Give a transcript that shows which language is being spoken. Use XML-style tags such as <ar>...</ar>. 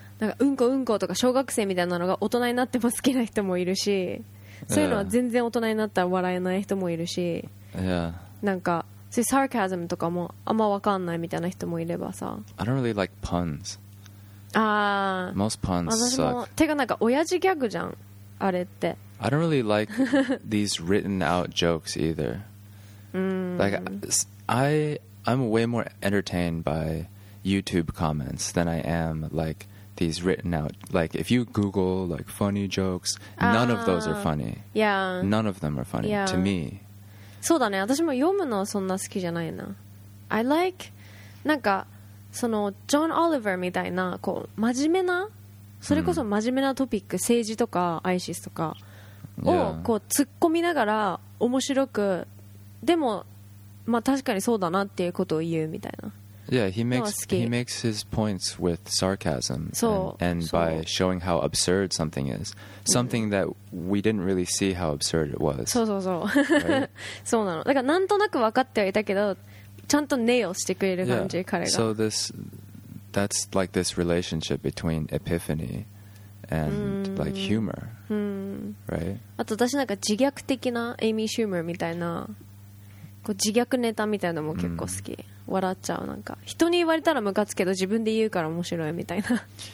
<ja>なんかうんこうんことか小学生みたいなのが大人になっても好きな人もいるし、そういうのは全然大人になったら笑えない人もいるし、なんかそういうサーカズムとかもあんま分かんないみたいな人もいればさ、</ja> <en>I don't really like puns.</en> <ja>ああ、</ja> <en>most puns suck.</en> <ja>私もてかなんか親父ギャグじゃんあれって。</ja> <en>I don't really like these written out jokes either. Like I'm way more entertained by YouTube comments than I am like. These written out, like if you Google like funny jokes, none of those are funny. Yeah. None of them are funny、 yeah. to me.</en> <ja>そうだね。私も読むのはそんな好きじゃないな。</ja> <en>I like</en> <ja>なんかそのジョン・オリバーみたいなこう真面目な、それこそ真面目なトピック、政治とかアイシスとかをこう突っ込みながら面白く、でもまあ確かにそうだなっていうことを言うみたいな。</ja> <en>Yeah, he makes his points with sarcasm and by showing how absurd something is. Something that we didn't really see how absurd it was.</en> <ja>そうそうそう。そうなの。だからなんとなく分かってはいたけど、ちゃんとネイルしてくれる感じ、彼が。</ja> <en>So that's like this relationship between epiphany and like humor. Right?</en> <ja>あと私なんか自虐的なエイミー・シューマーみたいな。こう自虐ネタみたいなのも結構好き、うん、笑っちゃう。なんか人に言われたらムカつけど自分で言うから面白いみたいな。</ja>